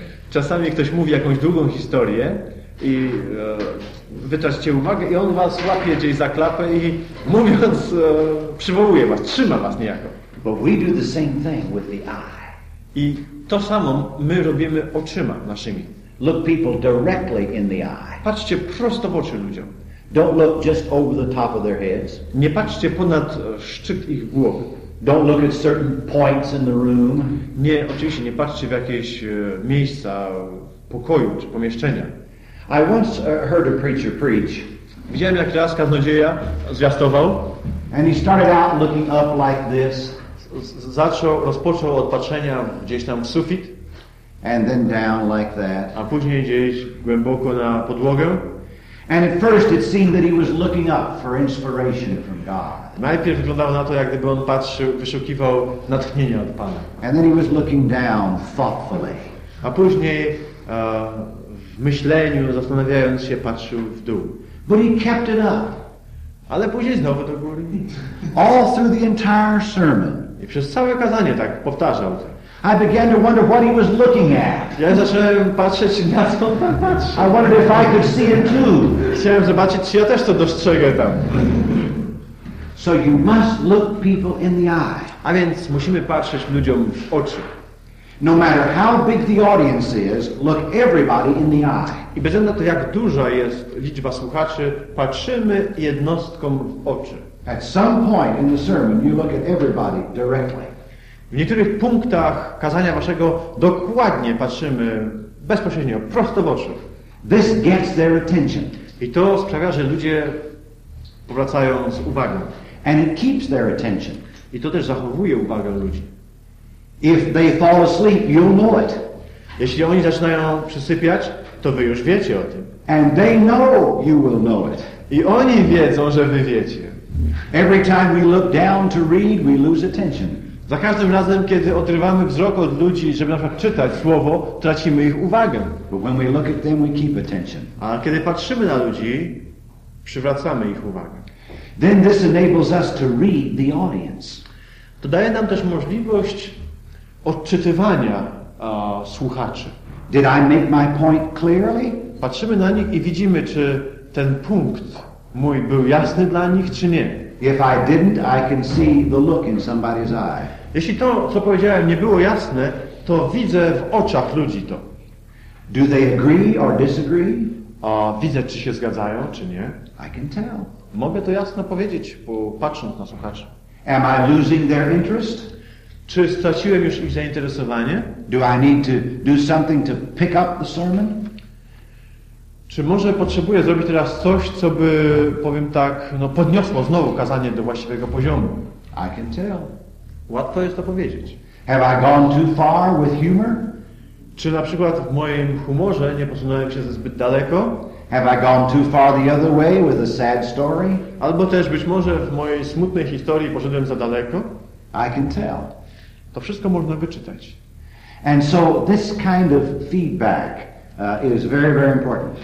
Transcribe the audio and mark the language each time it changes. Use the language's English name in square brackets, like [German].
[Polish] Czasami ktoś mówi jakąś długą historię i wy tracicie uwagę i on was łapie gdzieś za klapę i mówiąc przywołuje was, trzyma was niejako. [English] But we do the same thing with the eye. [Polish] I to samo my robimy oczyma naszymi. [English] Look people directly in the eye. [Polish] Patrzcie prosto w oczy ludziom. [English] Don't look just over the top of their heads. [Polish] Nie patrzcie ponad szczyt ich głowy. [English] Don't look at certain points in the room. [Polish] Nie, oczywiście nie patrzcie w jakieś miejsca pokoju czy pomieszczenia. [English] I once heard a preacher preach. [Polish] Widziałem, jak raz kaznodzieja zwiastował. [English] And he started out looking up like this. [Polish] Rozpoczął od patrzenia gdzieś tam w sufit. [English] And then down like that. [Polish] A później gdzieś głęboko na podłogę. [English] And at first it seemed that he was looking up for inspiration from God. [Polish] Najpierw wyglądało na to, jak gdyby on wyszukiwał natchnienia od Pana. [English] And then he was looking down thoughtfully. [Polish] A później w myśleniu, zastanawiając się, patrzył w dół. [English] But he kept it up. [Polish] Ale później znowu do góry. [English] All through the entire sermon. [Polish] I przez całe kazanie tak powtarzał. [English] I began to wonder what he was looking at. [Polish] Ja zacząłem patrzeć na to, co patrzy. [English] I wondered if I could see him too. [Polish] Chciałem zobaczyć, czy ja też to dostrzegę tam. [English] So you must look people in the eye. [Polish] A więc musimy patrzeć ludziom w oczy. [English] No matter how big the audience is, look everybody in the eye. [Polish] I bez względu na to, jak duża jest liczba słuchaczy, patrzymy jednostkom w oczy. [English] At some point in the sermon, you look at everybody directly. [Polish] W niektórych punktach kazania waszego dokładnie patrzymy bezpośrednio, prosto w oczy. [English] This gets their attention. [Polish] I to sprawia, że ludzie powracają z uwagą. [English] And it keeps their attention. [Polish] I to też zachowuje uwagę ludzi. [English] If they fall asleep, you'll know it. [Polish] Jeśli oni zaczynają przysypiać, to wy już wiecie o tym. [English] And they know you will know it. [Polish] I oni wiedzą, że wy wiecie. [English] Every time we look down to read, we lose attention. [Polish] Za każdym razem, kiedy odrywamy wzrok od ludzi, żeby na przykład czytać słowo, tracimy ich uwagę. [English] But when we look at them, we keep attention. [Polish] A kiedy patrzymy na ludzi, przywracamy ich uwagę. [English] Then this enables us to read the audience. [Polish] To daje nam też możliwość odczytywania słuchaczy. [English] Did I make my point clearly? [Polish] Patrzymy na nich i widzimy, czy ten punkt mój był jasny dla nich, czy nie. [English] If I didn't, I can see the look in somebody's eye. [Polish] Jeśli to, co powiedziałem, nie było jasne, to widzę w oczach ludzi to. [English] Do they agree or disagree? [Polish] A widzę, czy się zgadzają, czy nie. [English] I can tell. [Polish] Mogę to jasno powiedzieć, bo patrząc na słuchaczy. [English] Am I losing their interest? [Polish] Czy straciłem już ich zainteresowanie? [English] Do I need to do something to pick up the sermon? [Polish] Czy może potrzebuję zrobić teraz coś, co by, powiem tak, no, podniosło znowu kazanie do właściwego poziomu? [English] I can tell. [Polish] Łatwo jest to powiedzieć. [English] Have I gone too far with humor? [Polish] Czy na przykład w moim humorze nie posunąłem się zbyt daleko? [English] Have I gone too far the other way with a sad story? [Polish] Albo też być może w mojej smutnej historii poszedłem za daleko? [English] I can tell. [Polish] To wszystko można wyczytać. [English] And so this kind of feedback is very, very important.